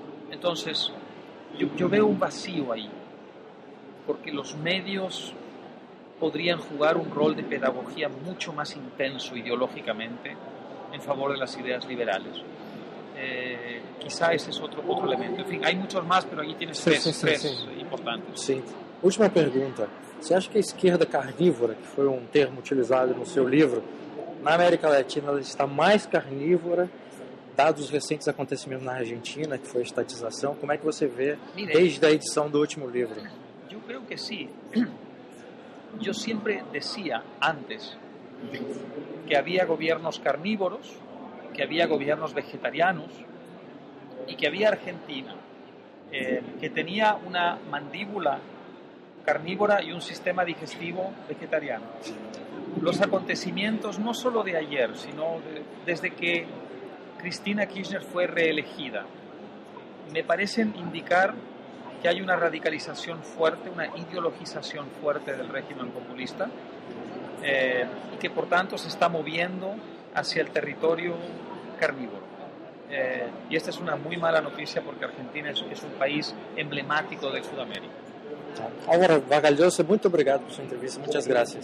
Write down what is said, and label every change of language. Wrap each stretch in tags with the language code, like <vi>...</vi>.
<es>Entonces, yo veo un vacío ahí, porque los medios podrían jugar un rol de pedagogía mucho más intenso ideológicamente en favor de las ideas liberales. Quizá ese es otro elemento. En fin, hay muchos más, pero aquí tienes tres importantes. Sí. Última pregunta.</es> <pt>Você acha que a esquerda carnívora, que foi um termo utilizado no seu livro, na América Latina ela está mais carnívora, dados os recentes acontecimentos na Argentina, que foi a estatização? Como é que você vê, desde a edição do último livro? Eu creio que sim.</pt> <es>Sí.</es> <pt>Eu sempre dizia, antes, que havia governos carnívoros, que havia governos vegetarianos, e que havia Argentina, que tinha uma mandíbula carnívora</pt> <es>y un sistema digestivo vegetariano. Los acontecimientos, no solo de ayer, sino desde que Cristina Kirchner fue reelegida, me parecen indicar que hay una radicalización fuerte, una ideologización fuerte del régimen populista, y que por tanto se está moviendo hacia el territorio carnívoro. Y esta es una muy mala noticia porque Argentina es un país emblemático de Sudamérica.</es> <pt>Álvaro Vargas Llosa, muito obrigado por sua entrevista. Muitas graças.</pt>